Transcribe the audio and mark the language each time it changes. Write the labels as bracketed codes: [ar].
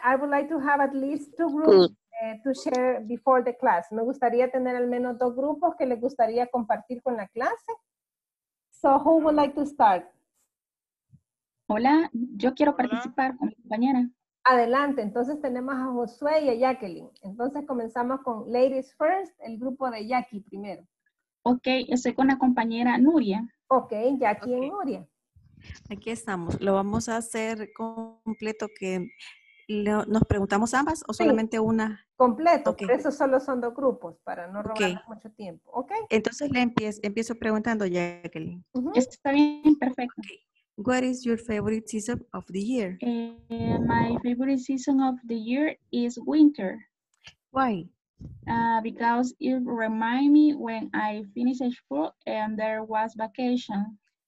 [en] I would like to have at least two groups to share before the class. [es] Me gustaría tener al menos dos grupos que les gustaría compartir con la clase. [en] So, who would like to start? [es] Hola, yo quiero participar con mi compañera. Adelante, entonces tenemos a Josué y a Jacqueline. Entonces comenzamos con [en] Ladies First, [es] el grupo de Jackie primero. Ok, estoy con la compañera Nuria. Ok, ya aquí en Nuria. Aquí estamos. ¿Lo vamos a hacer completo que nos preguntamos ambas o solamente una? Completo, okay. Por eso solo son dos grupos para no robar mucho tiempo. Ok. Entonces le empiezo preguntando, Jacqueline. Uh-huh. Está bien, perfecto. Okay. [en] What is your favorite season of the year? My favorite season of the year is winter. Why? Because it remind me when I finished school and there was vacation.